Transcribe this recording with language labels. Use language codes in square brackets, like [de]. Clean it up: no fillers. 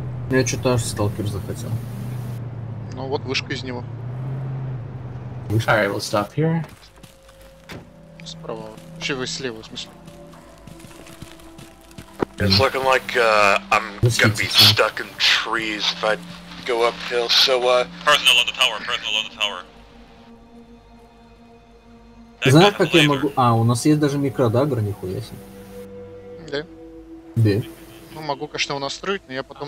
[ru] Я что-то аж сталкер захотел. Ну вот вышка из него. [en] Вышка. Alright, we'll stop here. [ru] Справа. Вообще вы слева, в смысле. [en] It's looking like I'm gonna be stuck in trees if I go uphill, so Personal on the tower, personal on the tower. [ru] Знаешь, как я могу... А, у нас есть даже микродагр, нихуя себе. Да. Да. Ну, могу, конечно, его настроить, но я потом